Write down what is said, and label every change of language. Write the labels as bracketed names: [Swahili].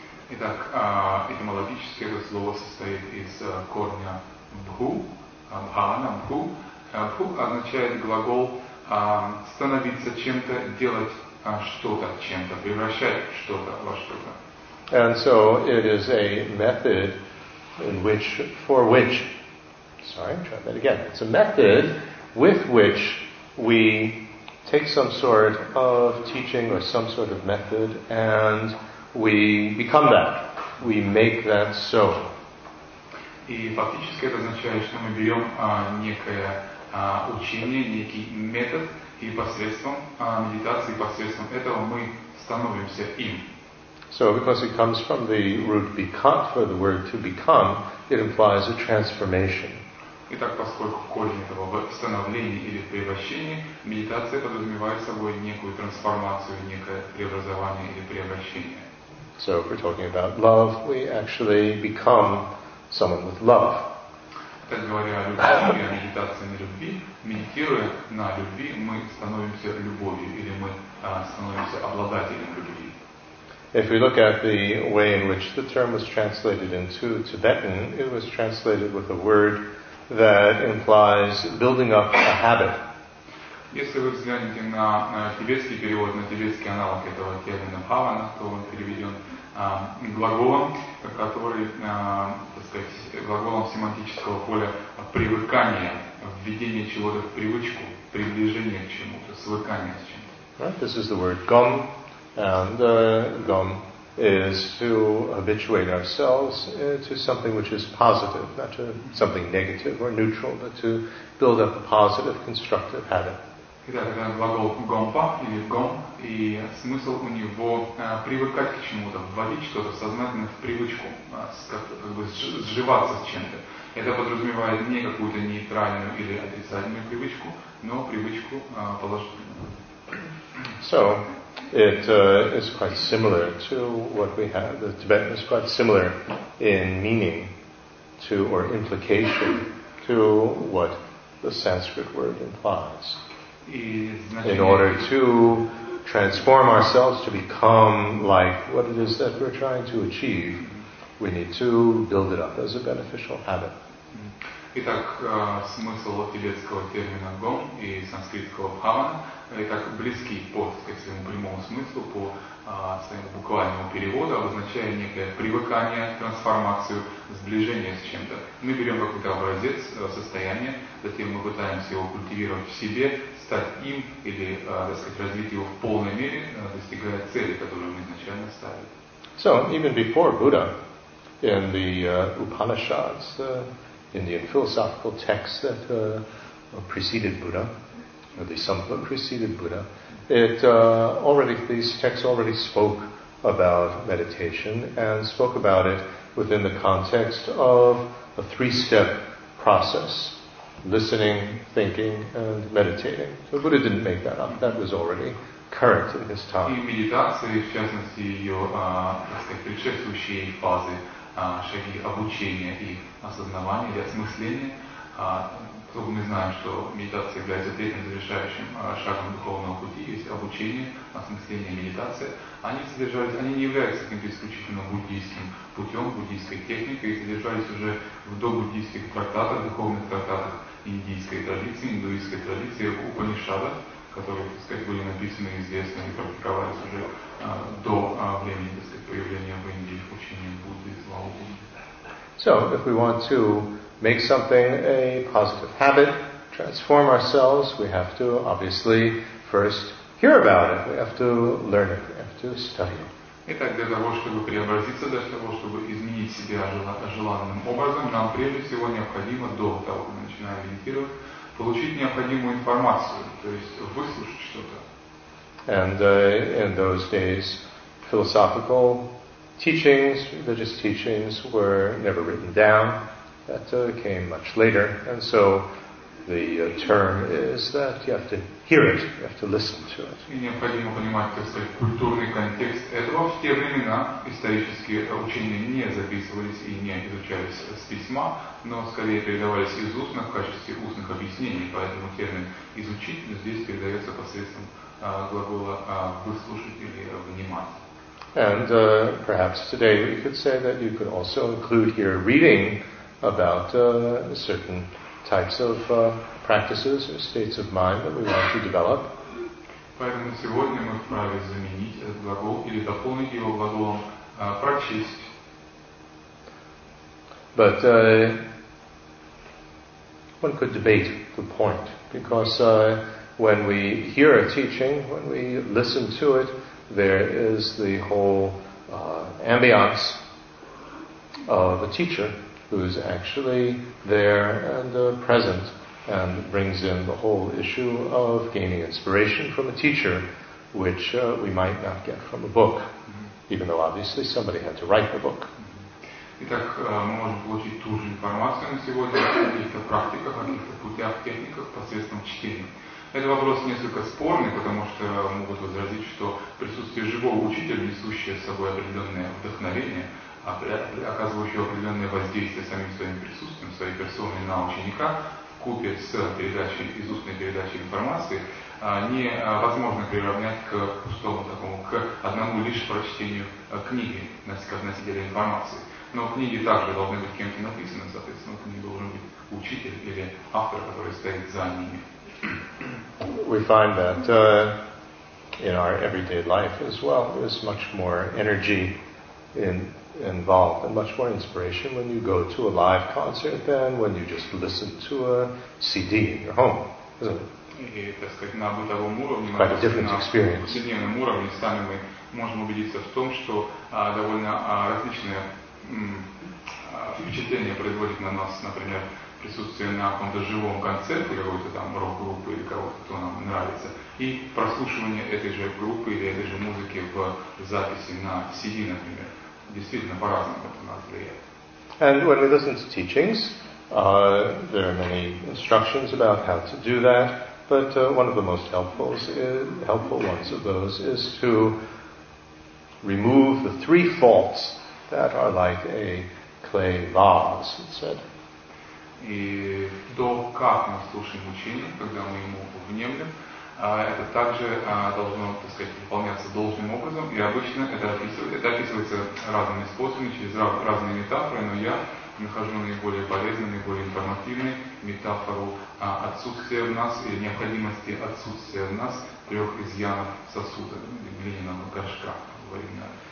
[Russian] Итак, этимологически это слово состоит из корня бху, бхавана, бху. Бху означает глагол становиться чем-то, делать что-то чем-то, превращать что-то во что-то. [English] And so it is a method in which, for which, sorry, try that again. It's a method with which we take some sort of teaching or some sort of method and we become that. We make that so. [Russian] И фактически это означает, что мы берем некое учение, некий метод, и посредством медитации, посредством этого мы становимся им. [English] So, because it comes from the root become, for the word to become, it implies a transformation. [Russian] Итак, поскольку корень этого становления или превращения, медитация подразумевает собой некую трансформацию, некое преобразование или превращение. [English] So, if we're talking about love, we actually become someone with love. [Russian] Так говоря о любви, о медитации на любви, медитируя на любви, мы становимся любовью или мы становимся обладателем любви. [English] If we look at the way in which the term was translated into Tibetan, it was translated with a word that implies building up a habit. [Russian] Если вы взглянете на тибетский перевод, на тибетский аналог этого термина «бхавана», то он переведен глаголом, который, так сказать, глаголом семантического поля привыкания, введение чего-то в привычку, приближение к чему-то, свыкание с чем-то. [English] Right, this is the word «гам». And gum is to habituate ourselves to something which is positive, not to something negative or neutral, but to build up a positive, constructive habit. [Russian] Итак, это глагол гомпа или гом, и смысл у него привыкать к чему-то, вводить что-то сознательно в привычку, как бы сживаться с чем-то. Это подразумевает не какую-то нейтральную или отрицательную привычку, но привычку положительную. [English] So, it is quite similar to what we have. The Tibetan is quite similar in meaning to or implication to what the Sanskrit word implies. In order to transform ourselves, to become like what it is that we're trying to achieve, we need to build it up as a beneficial habit. [Russian] Итак, смысл тибетского термина гом и санскритского бхавана так близки по своему прямому смыслу, по своему буквальному переводу, обозначая некое привыкание, трансформацию, сближение с чем-то. Мы берем какой-то образец, состояние, затем мы пытаемся его культивировать в себе, стать им или, так сказать, развить его в полной мере, достигая цели, которую мы изначально ставили. [English] So, even before Buddha, in the Upanishads, Indian philosophical texts that preceded Buddha, or the Sangha preceded Buddha, these texts already spoke about meditation and spoke about it within the context of a three-step process. listening, thinking, and meditating. So Buddha didn't make that up. That was already current in his time. [Russian] И медитации, в частности, ее, так сказать, предшествующие фазы, шаги обучения и осознавания, и осмысления, поскольку мы знаем, что медитация является третьим завершающим шагом духовного пути, есть обучение, осмысление, медитация, они содержались, они не являются каким-то исключительно буддийским путем, буддийской техникой, и содержались уже в добуддийских трактатах, духовных трактатах индийской традиции, индуистской традиции, упанишадах, которые, так сказать, были написаны, известны и практиковались уже до времени, так сказать, появления в Индии учения Будды, слава Богу. [English] So, if we want to make something a positive habit, transform ourselves, we have to obviously first hear about it, we have to learn it, we have to study it. [Russian] Итак, для того, чтобы преобразиться, для того, чтобы изменить себя желанным образом, нам прежде всего необходимо, до того, как мы начинаем медитировать, получить необходимую информацию, то есть выслушать что-то. [English] And in those days, philosophical teachings, religious teachings were never written down. That came much later. And so the term is that you have to hear it, you have to listen to it. [Russian] И необходимо понимать, так сказать, культурный контекст этого. В те времена исторические учения не записывались и не изучались с письма, но скорее передавались из уст в качестве устных объяснений. Поэтому термин «изучить» здесь передается посредством глагола «выслушать» или «внимать». [English] And perhaps today we could say that you could also include here reading about certain types of practices or states of mind that we want to develop. [Russian] Поэтому сегодня мы вправе заменить этот глагол или дополнить его глаголом прочесть. [English] But one could debate the point, because when we hear a teaching, when we listen to it, there is the whole ambiance of a teacher who is actually there and present and brings in the whole issue of gaining inspiration from a teacher, which we might not get from a book, even though obviously somebody had to write the book. [Russian] Итак, мы можем получить ту же информацию на сегодня в каких-то практиках, в каких-то путях, техниках посредством чтения. Это вопрос несколько спорный, потому что могут возразить, что присутствие живого учителя, несущее с собой определенное вдохновение, оказывающее определенное воздействие самим своим присутствием, своей персоной на ученика, вкупе с передачей, из устной передачей информации, невозможно приравнять к пустому такому, к одному лишь прочтению книги, как носителя информации. Но книги также должны быть кем-то написаны, соответственно, книги должен быть учитель или автор, который стоит за ними. [English] We find that in our everyday life as well, there's much more energy involved and much more inspiration when you go to a live concert than when you just listen to a CD in your home, isn't it? Quite a different experience. [Russian] На повседневном уровне сами мы можем убедиться в том, что довольно различные впечатления производят на нас, например, присутствие на каком-то живом концерте какой-то там рок-группы или кого-то, кто нам нравится, и прослушивание этой же группы или этой же музыки в записи на CD, например. Действительно, по-разному это на нас влияет. [English] And when we listen to teachings, there are many instructions about how to do that, but one of the most helpful ones of those is to remove the three faults that are like a clay vase, it said. [Russian] И то, как мы слушаем учение, когда мы ему внемлем, это также должно, так сказать, выполняться должным образом. И обычно это описывается разными способами, через разные метафоры, но я нахожу наиболее полезную, наиболее информативную метафору отсутствия в нас или необходимости отсутствия в нас трех изъянов сосуда, глиняного горшка в оригинале.